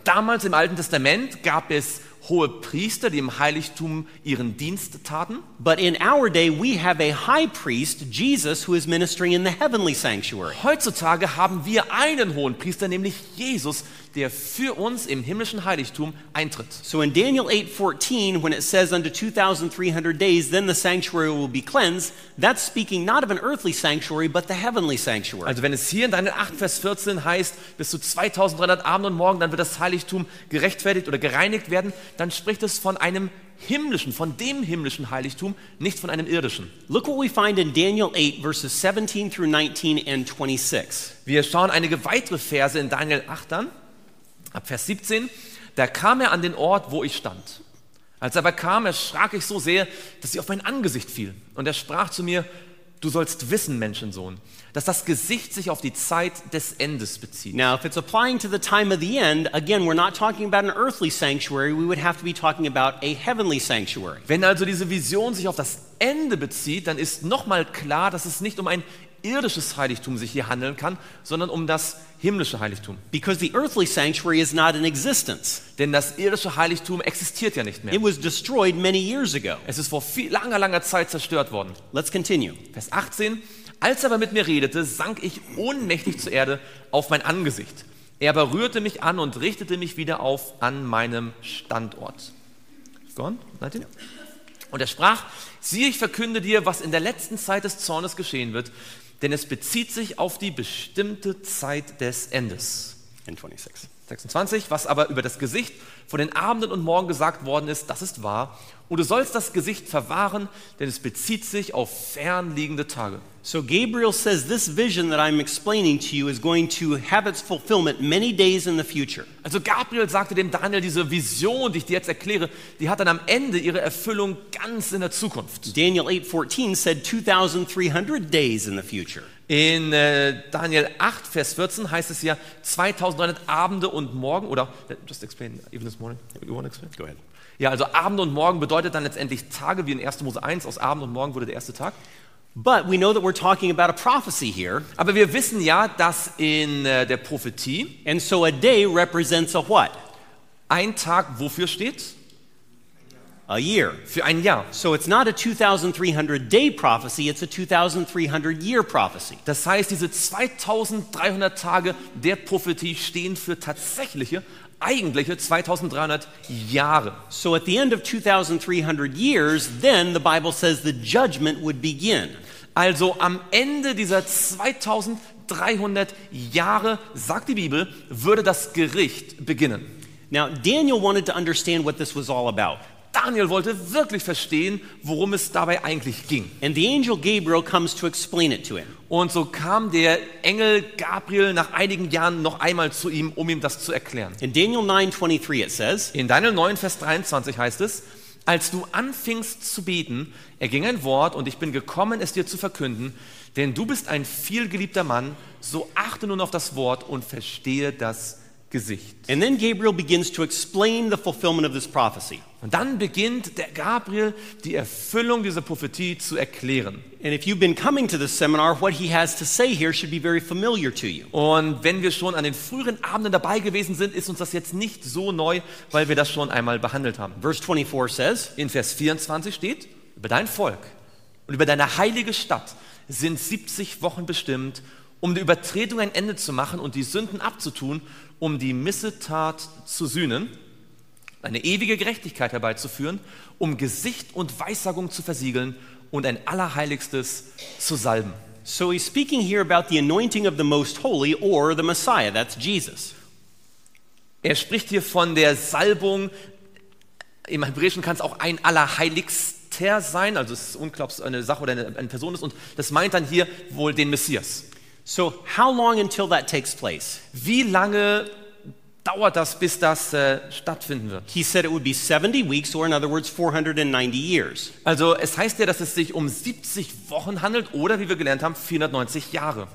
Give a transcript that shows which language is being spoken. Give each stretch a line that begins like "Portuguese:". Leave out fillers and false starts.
German: Damals im Alten Testament gab es hohe Priester, die im Heiligtum ihren Dienst taten.
English: But in our day, we have a high priest, Jesus, who is ministering in the heavenly sanctuary.
German: Heutzutage haben wir einen hohen Priester, nämlich Jesus, der für uns im himmlischen Heiligtum eintritt.
English: So in Daniel 8:14, when it says unto 2,300 days, then the sanctuary will be cleansed, that's speaking not of an earthly sanctuary, but the heavenly sanctuary.
German: Also wenn es hier in Daniel 8, Vers 14 heißt, bis zu 2,300 Abend und Morgen, dann wird das Heiligtum gerechtfertigt oder gereinigt werden, dann spricht es von einem himmlischen, von dem himmlischen Heiligtum, nicht von einem irdischen.
English: Look what we find in Daniel 8, verses 17 through 19 and 26.
German: Wir schauen einige weitere Verse in Daniel 8 an. Ab Vers 17, da kam er an den Ort, wo ich stand. Als er aber kam, erschrak ich so sehr, dass ich auf mein Angesicht fiel. Und er sprach zu mir, du sollst wissen, Menschensohn, dass das Gesicht sich auf die Zeit des Endes bezieht.
English: Now, if it's applying to the time of the end, again, we're not talking about an earthly sanctuary, we would have to be talking about a heavenly sanctuary.
German: Wenn also diese Vision sich auf das Ende bezieht, dann ist nochmal klar, dass es nicht um ein irdisches Heiligtum sich hier handeln kann, sondern um das himmlische Heiligtum.
English: Because the earthly sanctuary is not in existence.
German: Denn das irdische Heiligtum existiert ja nicht mehr.
English: It was destroyed many years ago.
German: Es ist vor viel, langer, langer Zeit zerstört worden.
English: Let's continue.
German: Vers 18. Als er aber mit mir redete, sank ich ohnmächtig zur Erde auf mein Angesicht. Er berührte mich an und richtete mich wieder auf an meinem Standort.
English: Gone? 19?
German: Und er sprach, siehe, ich verkünde dir, was in der letzten Zeit des Zornes geschehen wird, denn es bezieht sich auf die bestimmte Zeit des Endes.
English: In 26.
German: 26, was aber über das Gesicht von den Abenden und Morgen gesagt worden ist, das ist wahr. Und du sollst das Gesicht verwahren, denn es bezieht sich auf fernliegende Tage.
English: So Gabriel says, this vision that I'm explaining to you is going to have its fulfillment many days in the future.
German: Also Gabriel sagte dem Daniel, diese Vision, die ich dir jetzt erkläre, die hat dann am Ende ihre Erfüllung ganz in der Zukunft.
English: Daniel 8:14 said 2,300 days in the future.
German: In Daniel 8, Vers 14 heißt es ja 2,300 Abende und Morgen, oder
English: just explain, even this morning, you want to explain? Go ahead.
German: Ja, also Abend und Morgen bedeutet dann letztendlich Tage, wie in 1. Mose 1, aus Abend und Morgen wurde der erste Tag.
English: But we know that we're talking about a prophecy here.
German: Aber wir wissen ja, dass in der Prophetie.
English: And so a day represents a what?
German: Ein Tag, wofür steht?
English: A year.
German: Für ein Jahr.
English: So it's not a 2,300 day prophecy, it's a 2,300 year prophecy.
German: Das heißt, diese 2,300 Tage der Prophetie stehen für tatsächliche, eigentliche 2,300 Jahre.
English: So at the end of 2,300 years, then the Bible says the judgment would begin.
German: Also am Ende dieser 2,300 Jahre, sagt die Bibel, würde das Gericht beginnen.
English: Now Daniel wanted to understand what this was all about.
German: Daniel wollte wirklich verstehen, worum es dabei eigentlich ging.
English: And the angel Gabriel comes to explain it to him.
German: Und so kam der Engel Gabriel nach einigen Jahren noch einmal zu ihm, um ihm das zu erklären.
English: In Daniel 9, 23 it says,
German: in Daniel 9, Vers 23 heißt es, als du anfingst zu beten, erging ein Wort und ich bin gekommen, es dir zu verkünden, denn du bist ein vielgeliebter Mann, so achte nun auf das Wort und verstehe das Gesicht.
English: And then Gabriel begins to explain the fulfillment of this prophecy.
German: Und dann beginnt der Gabriel die Erfüllung dieser Prophetie zu erklären.
English: And if you've been coming to the seminar, what he has to say here should be very familiar to you.
German: Und wenn wir schon an den früheren Abenden dabei gewesen sind, ist uns das jetzt nicht so neu, weil wir das schon einmal behandelt haben.
English: Verse 24 says,
German: in Vers 24 steht, über dein Volk und über deine heilige Stadt sind 70 Wochen bestimmt, um der Übertretung ein Ende zu machen und die Sünden abzutun, um die Missetat zu sühnen, eine ewige Gerechtigkeit herbeizuführen, um Gesicht und Weissagung zu versiegeln und ein Allerheiligstes zu salben.
English: So he's speaking here about the anointing of the Most Holy or the Messiah, that's Jesus.
German: Er spricht hier von der Salbung, im Hebräischen kann es auch ein Allerheiligster sein, also es ist unglaublich, eine Sache oder eine Person ist, und das meint dann hier wohl den Messias.
English: So, how long until that takes place?
German: Wie lange dauert das, bis das stattfinden wird?
English: He said it would be 70 weeks, or in other words 490 years.
German: Also es heißt ja, dass es sich um 70 Wochen handelt, oder wie wir gelernt haben, 490 Jahre.